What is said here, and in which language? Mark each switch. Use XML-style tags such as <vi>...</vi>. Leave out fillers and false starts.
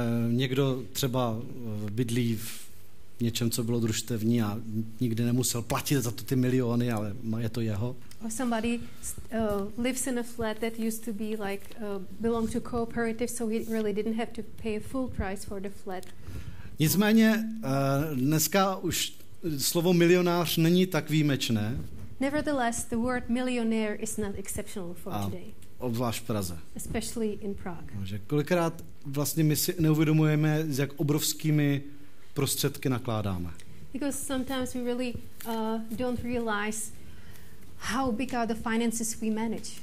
<cs>Někdo třeba bydlí v něčem, co bylo družstevní a nikdy nemusel platit za to ty miliony, ale je to jeho.</cs> <en>Or somebody lives in a flat that used to be like belong to cooperative, so he really didn't have to pay a full price for the flat.</en> <cs>Nicméně dneska už slovo milionář není tak výjimečné.</cs> <en>Nevertheless, the word millionaire is not exceptional for today.</en> <cs>Obzvlášť v Praze.</cs> <en>Especially in Prague.</en> <cs>Takže kolikrát vlastně my si neuvědomujeme, s jak obrovskými prostředky nakládáme.</cs> <en>Because sometimes we really don't realize how big are the finances we manage.</en>